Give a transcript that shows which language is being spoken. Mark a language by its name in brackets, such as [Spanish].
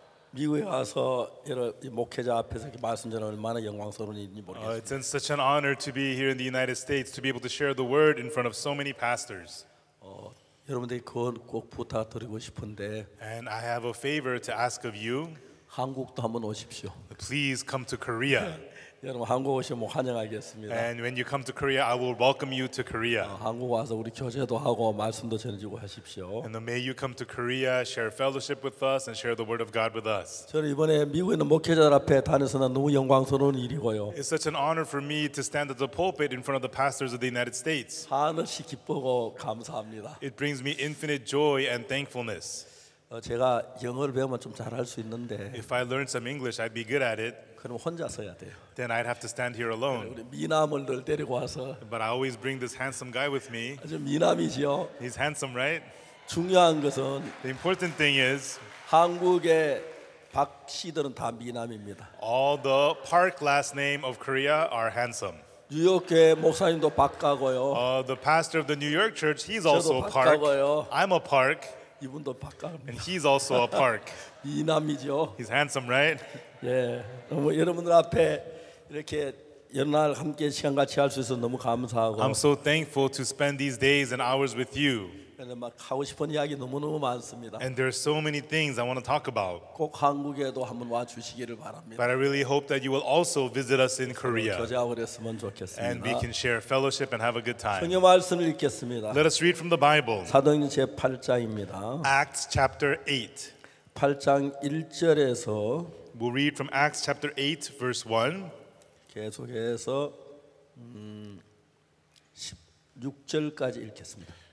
[Korean] 미국에 와서 여러분 목회자 앞에서 말씀 전하는 얼마나 영광스러운지 모르겠습니다. [English] It's such an honor to be here in the United States to be able to share the word in front of so many pastors. [Korean] 여러분들 그건 꼭 부탁드리고 싶은데. [English] And I have a favor to ask of you. [Korean] 한국도 한번 오십시오. [English] Please come to Korea. [Korean] 여러분 한국 오시면 환영하겠습니다. [English] And when you come to Korea, I will welcome you to Korea. [Korean] 한국 와서 우리 교제도 하고 말씀도 전해주고 하십시오. [English] And may you come to Korea, share fellowship with us, and share the word of God with us. [Korean] 저는 이번에 미국에 있는 목회자들 앞에 다니서는 너무 영광스러운 일이고요. [English] It's such an honor for me to stand at the pulpit in front of the pastors of the United States. [Korean] 한없이 기쁘고 감사합니다. [English] It brings me infinite joy and thankfulness. [Korean] 제가 영어를 배우면 좀 잘할 수 있는데. [English] If I learn some English, I'd be good at it. [Korean] 그럼 혼자서야 돼요. [English] Then I'd have to stand here alone. [Korean] 우리 미남을 늘 데리고 와서. [English] But I always bring this handsome guy with me. [Korean] 아주 미남이지요. [English] He's handsome, right? [Korean] 중요한 것은. [English] The important thing is. [Korean] 한국의 박 씨들은 다 미남입니다. [English] All the Park last name of Korea are handsome. [Korean] 뉴욕의 목사님도 박가고요. [English] The pastor of the New York church, he's also a Park. [Korean] 저도 박가고요. [English] I'm a Park. [Korean] 이분도 박가입니다. [English] And he's also a Park. [Korean] 미남이죠. [English] He's handsome, right? [Korean] 예, 너무 여러분들 앞에 이렇게 연날 함께 시간 같이 할 수 있어서 너무 감사하고. [English] I'm so thankful to spend these days and hours with you. [Korean] 막 하고 싶은 이야기 너무 너무 많습니다. [English] And there are so many things I want to talk about. [Korean] 꼭 한국에도 한번 와 주시기를 바랍니다. [English] But I really hope that you will also visit us in Korea. [Korean] 교제하고 그랬으면 좋겠습니다. [English] And we can share fellowship and have a good time. [Korean] 성경 말씀을 읽겠습니다. [English] Let us read from the Bible. [Korean] 사도행전 제 8장입니다. [English] Acts chapter 8. [Korean] 8장 1절에서 [English] We'll read from Acts chapter 8, verse 1. [Korean] 계속해서 16절까지 읽겠습니다.